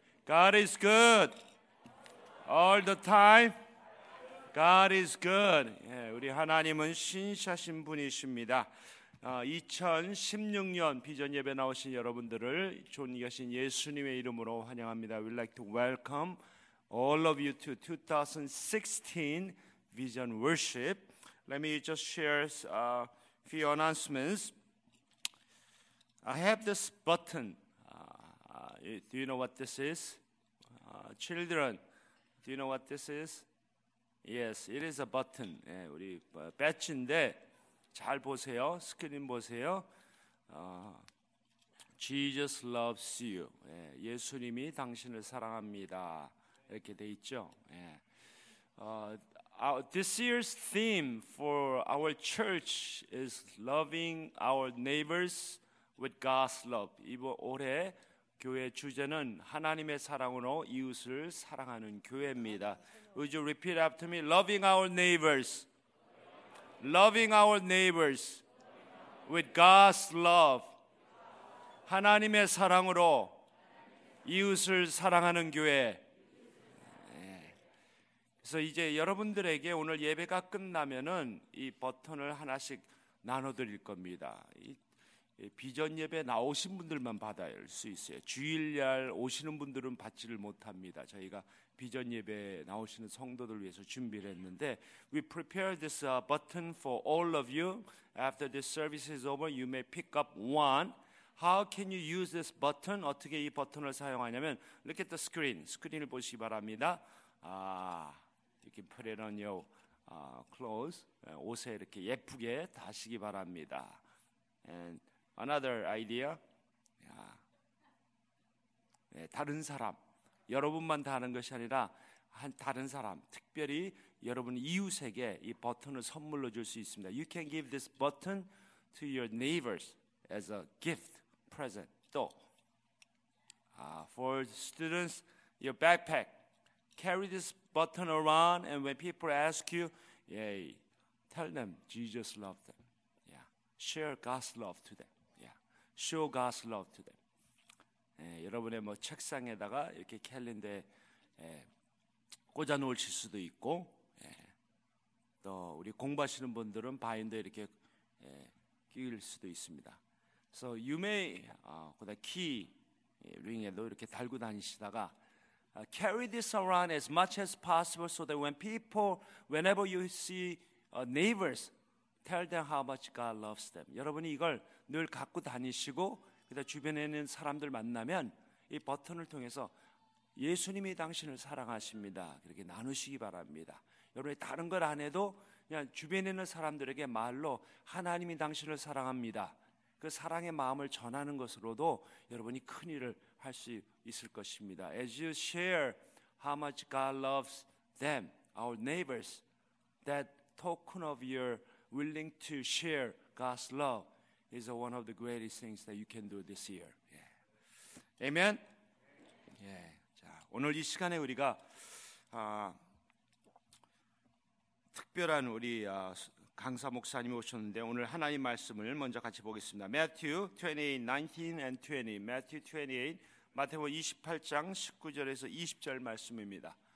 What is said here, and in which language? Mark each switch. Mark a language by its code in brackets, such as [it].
[en] God is good all the time. God is good. [ko] 예, 우리 하나님은 신실하신 분이십니다. 2016년 비전 예배 나오신 여러분들을 존귀하신 예수님의 이름으로 환영합니다. [en] We'd like to welcome all of you to 2016 Vision Worship. Let me just share a few announcements. I have this button. Do you know what this is? Children, do you know what this is? Yes, it is a button. [ko] 예, 우리 배치인데 잘 보세요. 스크린 보세요. [en] Jesus loves you. [ko] 예, 예수님이 당신을 사랑합니다. 이렇게 돼 있죠. 예. [en] This year's theme for our church is loving our neighbors with God's love. [ko] 이번 올해 교회 주제는 하나님의 사랑으로 이웃을 사랑하는 교회입니다. [en] Would you repeat after me? Loving our neighbors. Loving our neighbors with God's love. [ko] 하나님의 사랑으로 이웃을 사랑하는 교회. 그래서 이제 여러분들에게 오늘 예배가 끝나면은 이 버튼을 하나씩 나눠드릴 겁니다. 비전 예배 나오신 분들만 받을 수 있어요. 주일날 오시는 분들은 받지를 못합니다. 저희가 비전 예배 나오시는 성도들 위해서 준비를 했는데 [en] We prepare this button for all of you. After this service is over, you may pick up one. How can you use this button? [ko] 어떻게 이 버튼을 사용하냐면 [en] Look at the screen. [ko] 스크린을 보시기 바랍니다. [en] You can put it on your clothes. [ko] 옷에 이렇게 예쁘게 다시기 바랍니다. [en] And another idea. [ko] 네, 다른 사람. 여러분만 다 하는 것이 아니라 한 다른 사람, 특별히 여러분 이웃에게 이 버튼을 선물로 줄 수 있습니다. [en] You can give this button to your neighbors as a gift, present. 또, for students, your backpack. Carry this button around and when people ask you, yay, tell them Jesus loved them. Share God's love to them. Show God's love to them. [ko] 예, 여러분의 뭐 책상에다가 이렇게 캘린더에 예, 꽂아 놓으실 수도 있고, 예. 또 우리 공부하시는 분들은 바인더 이렇게 예, 끼울 수도 있습니다. 그래서 [en] you may [ko] 그다음 키 링에도 이렇게 달고 다니시다가 [en] carry this around as much as possible so that when people, whenever you see neighbors, tell them how much God loves them. [ko] 여러분이 이걸 늘 갖고 다니시고 그다음 주변에 있는 사람들 만나면 이 버튼을 통해서 예수님이 당신을 사랑하십니다. 그렇게 나누시기 바랍니다. 여러분이 다른 걸 안 해도 그냥 주변에 있는 사람들에게 말로 하나님이 당신을 사랑합니다. 그 사랑의 마음을 전하는 것으로도 여러분이 큰 일을 할 수 있을 것입니다. [en] As you share how much God loves them, our neighbors, that token of your willing to share God's love is one of the greatest things that you can do this year. Yeah. Amen? Yeah. [ko] 오늘 이 시간에 우리가 특별한 우리 강사 목사님이 오셨는데 오늘 하나님 말씀을 먼저 같이 보겠습니다. Matthew 28, 마태복음 28장 19절에서 20절 말씀입니다.